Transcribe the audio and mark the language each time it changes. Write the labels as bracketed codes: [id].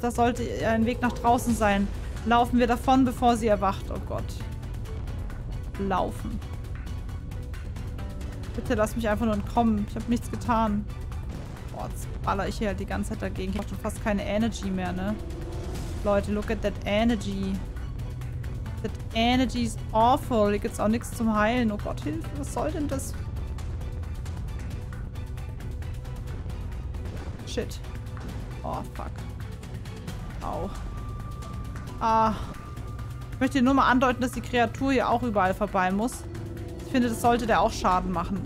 [de] Da sollte ein Weg nach draußen sein. Laufen wir davon, bevor sie erwacht. Oh Gott. Laufen. Bitte lass mich einfach nur entkommen. Ich habe nichts getan. Boah, jetzt baller ich hier halt die ganze Zeit dagegen. Ich habe schon fast keine Energy mehr, ne? Leute, [en] look at that energy. That energy is awful. [de] Hier gibt's auch nichts zum Heilen. Oh Gott, Hilfe, was soll denn das? Shit. Oh, fuck. Au. Ah. Ich möchte nur mal andeuten, dass die Kreatur hier auch überall vorbei muss. Ich finde, das sollte der auch Schaden machen.